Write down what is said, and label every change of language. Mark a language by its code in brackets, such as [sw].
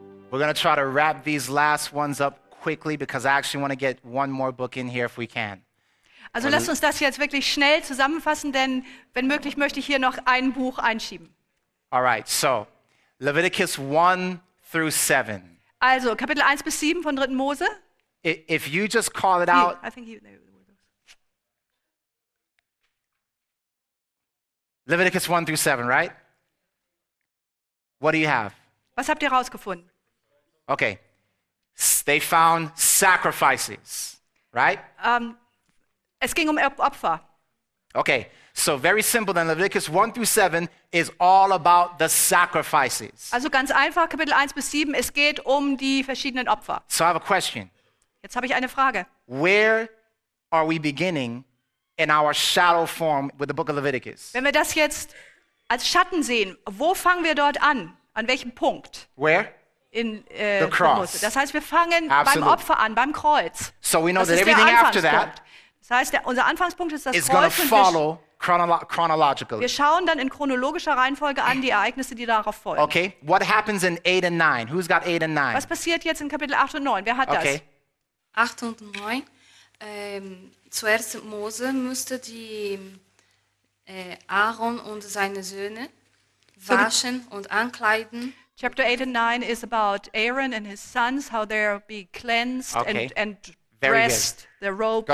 [en] we're going to try to wrap these last ones up quickly because I actually want to get one more book in here if we can. [de] Also, lasst uns das jetzt wirklich schnell zusammenfassen, denn wenn möglich möchte ich hier noch ein Buch einschieben. [en] All right. So, Leviticus 1 through 7. [de] Also, Kapitel 1 bis 7 von 3. Mose. [en] If you just call it out. Leviticus 1 through 7, right? What do you have? [de] Was habt ihr rausgefunden? [en] Okay. They found sacrifices, right? [de] Es ging um Opfer. [en] Okay. So very simple then. Leviticus 1 through 7 is all about the sacrifices. [de] Also ganz einfach, Kapitel 1 bis 7, es geht um die verschiedenen Opfer. [en] So I have a question. [de] Jetzt habe ich eine Frage. [en] Where are we beginning in our shadow form with the book of Leviticus? [de] Wenn wir das jetzt als Schatten sehen, wo fangen wir dort an? An welchem Punkt? [en] Where? In the cross. [de] Das heißt, wir fangen beim Opfer an, beim Kreuz. [en] So we know that everything after that. [de] Das heißt, unser Anfangspunkt ist das [en] is [de] Kreuz. [en] Follow chronologically. [de] Wir schauen dann in chronologischer Reihenfolge an die Ereignisse, die darauf folgen. [en] Okay, what happens in 8 and 9? Who's got 8 and 9? [de] Was passiert jetzt in Kapitel 8 und 9? Wer hat das? 8 und 9. Zuerst Mose musste die Aaron und seine Söhne waschen und ankleiden. [en] Chapter 8 and 9 is about Aaron and his sons, how they'll be cleansed and dressed, their robes.